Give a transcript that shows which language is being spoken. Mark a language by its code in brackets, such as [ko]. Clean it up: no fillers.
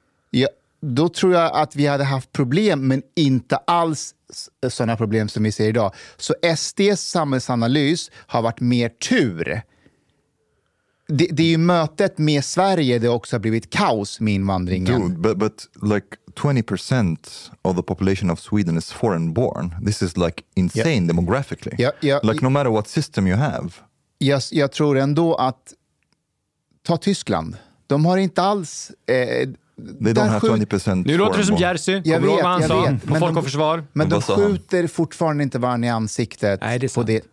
[sv] Ja, då tror jag att vi hade haft problem, men inte alls sådana problem som vi ser idag. Så SDs samhällsanalys har varit mer tur. Det är ju mötet med Sverige det också har blivit kaos med invandringen. [en] Dude, but like 20% of the population of Sweden is foreign born. This is like insane yeah. demographically. Yeah, yeah, like no matter what system you have. [sv] Yes, jag tror ändå att ta Tyskland. De har inte alls... [en] They don't have 20% [sv] nu låter du som Jersey. Jag vet, jag sa, vet. På Folk och Försvar. Men de skjuter fortfarande inte varandra i ansiktet. Nej, det